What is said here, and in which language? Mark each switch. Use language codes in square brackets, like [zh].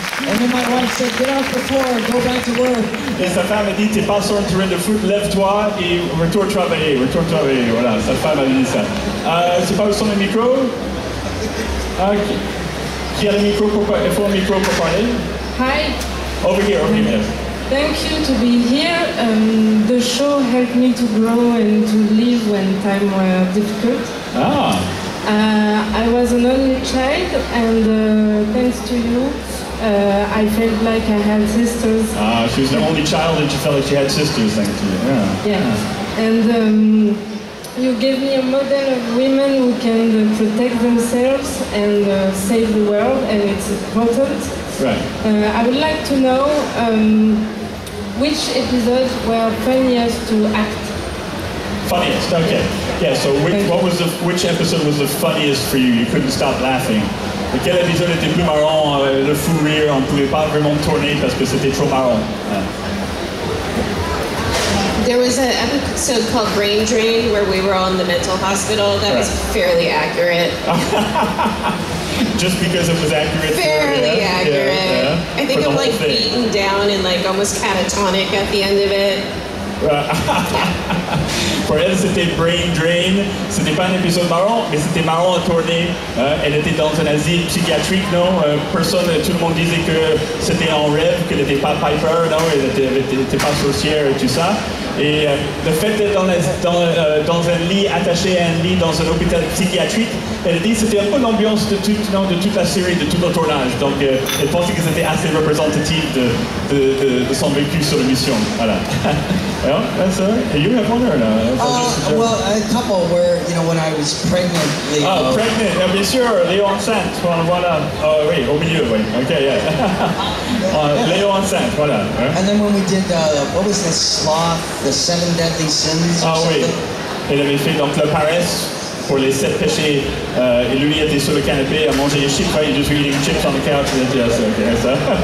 [en] And then my wife said, get off the floor, go back to work. [fr] Et sa femme a dit, t'es pas sur un terrain de foot, lève-toi et retourne travailler. Voilà, sa femme a dit ça. C'est pas où sont les micros? Qui a le micro pour parler? Il faut un micro pour parler. [en] Hi. Over here, yes. Thank you to be here. The show helped me to grow and to live when times were difficult. I was an only child and thanks to you, I felt like I had sisters. She was the only child and she felt like she had sisters, thank you. Yeah. And you gave me a model of women who can protect themselves and save the world, and it's important. Right. I would like to know which episodes were funniest to act. Funniest, okay. Yeah, so which episode was the funniest for you? You couldn't stop laughing. [fr] Quel épisode était plus marrant, le fou rire, on ne pouvait pas vraiment tourner parce que c'était trop marrant. [en] There was an episode called Brain Drain where we were all in the mental hospital. That was fairly accurate. Just because it was accurate. Accurate. Yeah. I think I'm like beaten down and like almost catatonic at the end of it. [fr] Pour elle, c'était Brain Drain. C'était pas un épisode marrant, mais c'était marrant à tourner. Elle était dans un asile psychiatrique, non? Personne, tout le monde disait que c'était en rêve, qu'elle n'était pas Piper, non? Elle n'était pas sorcière et tout ça. Et le fait d'être dans un lit, attaché à un lit dans un hôpital psychiatrique, elle dit que c'était un peu l'ambiance de, tout, non, de toute la série, de tout le tournage. Donc elle pensait que c'était assez représentatif de son vécu sur la mission. Voilà. [en] Well, a couple where, you know, when I was pregnant, Leo. Oh, pregnant, yeah, [fr] bien sûr, Leo enceinte, voilà. Oh, oui, au milieu, oui, ok, yeah. Leo enceinte, voilà. [en] And then when we did, what was the sloth, the seven deadly sins? [fr] Ah, oui, il avait fait donc le paresse pour les sept péchés, et lui était sur le canapé à manger les chips, right? [en] Just eating chips on the couch, and yes, ok, ça.